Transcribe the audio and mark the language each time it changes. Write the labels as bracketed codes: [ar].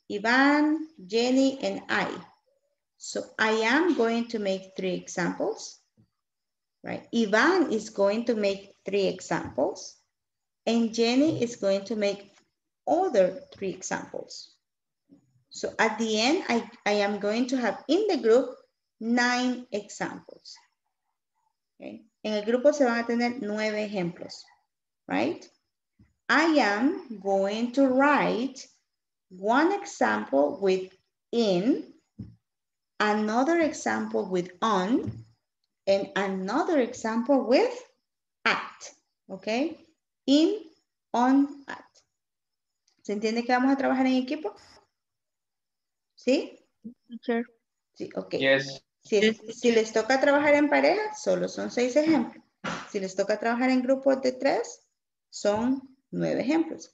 [en] Ivan, Jenny, and I. So I am going to make three examples, right? Ivan is going to make three examples, and Jenny is going to make other three examples. So at the end, I am going to have in the group 9 examples. Okay. [es] En el grupo se van a tener 9 ejemplos, right? [en] I am going to write one example with in, another example with on, and another example with at. Okay? In, on, at. [es] ¿Se entiende que vamos a trabajar en equipo? ¿Sí? [en] Sure. [es] Sí, okay. [en] Yes. [es] Si les toca trabajar en pareja, solo son 6 ejemplos. Si les toca trabajar en grupos de 3, son 9 ejemplos.